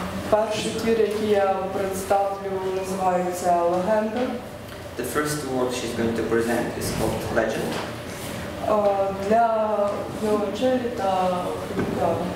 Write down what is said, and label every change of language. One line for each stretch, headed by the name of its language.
Ukrainian: Перший твір, який я представлю, називається «Легенда».
English: The first work she's going to present is called «Legend».
Ukrainian: Для віолончелі та хліба.